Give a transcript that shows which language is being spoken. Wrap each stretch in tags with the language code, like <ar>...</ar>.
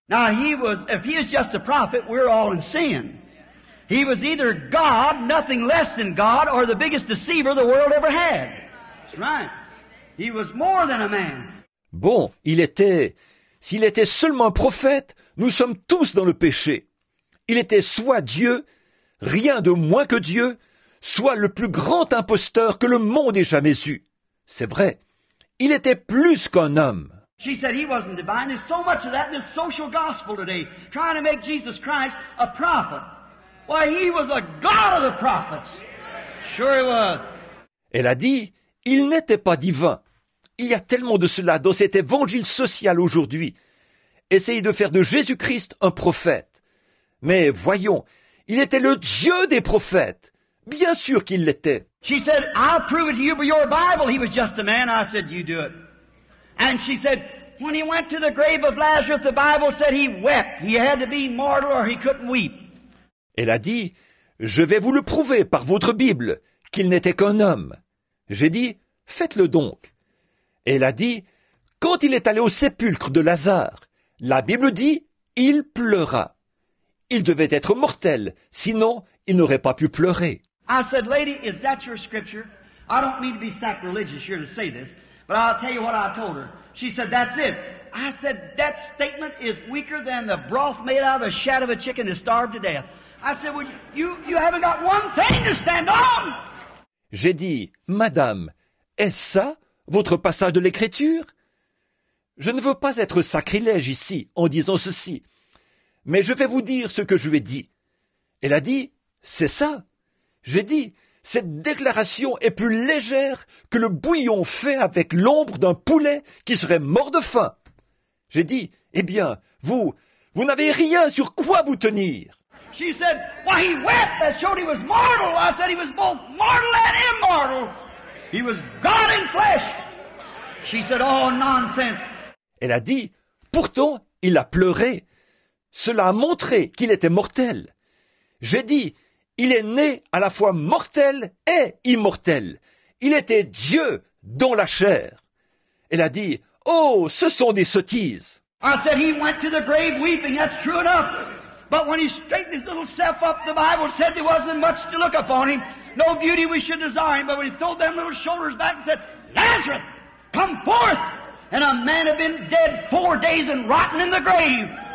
<en>Now he was, if he is just a prophet, we're all in sin. He was either God, nothing less than God, or the biggest deceiver the world ever had. That's right. He was more than a man.</en> <fr>Bon, il était, s'il était seulement un prophète, nous sommes tous dans le péché. Il était soit Dieu, rien de moins que Dieu, soit le plus grand imposteur que le monde ait jamais eu. C'est vrai, il était plus qu'un homme.</fr> <en>She said he wasn't divine. There's so much of that in this social gospel today, trying to make Jesus Christ a prophet. Why, he was a God of the prophets. Sure he was.</en> <fr>Elle a dit, il n'était pas divin. Il y a tellement de cela dans cet évangile social aujourd'hui. Essayez de faire de Jésus-Christ un prophète. Mais voyons, il était le Dieu des prophètes. Bien sûr qu'il l'était.</fr> <en>She said, I'll prove it to you by your Bible. He was just a man. I said, you do it. And she said, when he went to the grave of Lazarus, the Bible said he wept. He had to be mortal or he couldn't weep.</en> <fr>Elle a dit, je vais vous le prouver par votre Bible, qu'il n'était qu'un homme. J'ai dit, faites-le donc. Elle a dit, quand il est allé au sépulcre de Lazare, la Bible dit, il pleura. Il devait être mortel, sinon il n'aurait pas pu pleurer.</fr> <en>I said, lady, is that your scripture? I don't mean to be sacrilegious here to say this. But I'll tell you what I told her. She said, that's it. I said, that statement is weaker than the broth made out of the shad of a chicken that starved to death. I said, well, you haven't got one thing to stand on.</en> <fr>J'ai dit, madame, est-ce ça votre passage de l'écriture? Je ne veux pas être sacrilège ici en disant ceci, mais je vais vous dire ce que je lui ai dit. Elle a dit, c'est ça. J'ai dit, cette déclaration est plus légère que le bouillon fait avec l'ombre d'un poulet qui serait mort de faim. J'ai dit, eh bien, vous n'avez rien sur quoi vous tenir.</fr> <en>She said, why he wept, that showed he was mortal. I said he was both mortal and immortal. He was God in flesh. She said, oh, nonsense.</en> <fr>Elle a dit, pourtant, il a pleuré. Cela a montré qu'il était mortel. J'ai dit, il est né à la fois mortel et immortel. Il était Dieu dans la chair. Elle a dit, oh, ce sont des sottises.</fr> <en>I said he went to the grave weeping, that's true enough. But when he straightened his little self up, the Bible said there wasn't much to look upon him. No beauty we should desire him. But when he threw them little shoulders back and said, Lazarus, come forth. And a man had been dead 4 days and rotten in the grave.</en>